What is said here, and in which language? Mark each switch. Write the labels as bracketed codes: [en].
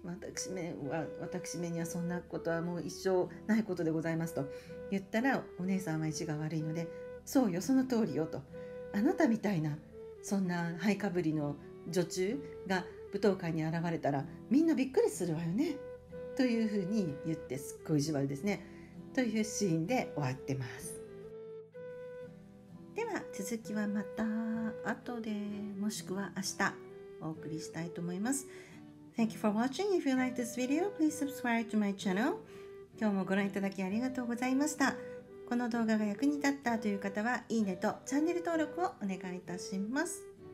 [ja] 私めにはそんなことはもう一生ないことでございますと言ったら、お姉さんは意地が悪いので、そうよ、その通りよと、あなたみたいなそんな灰かぶりの女中が舞踏会に現れたらみんなびっくりするわよね、というふうに言って、すっごい意地悪ですね、というシーンで終わってます。では続きはまた後で、もしくは明日お送りしたいと思います。 [en] Thank you for watching. If you like this video, please subscribe to my channel. [ja] 今日もご覧いただきありがとうございました。この動画が役に立ったという方は、いいねとチャンネル登録をお願いいたします。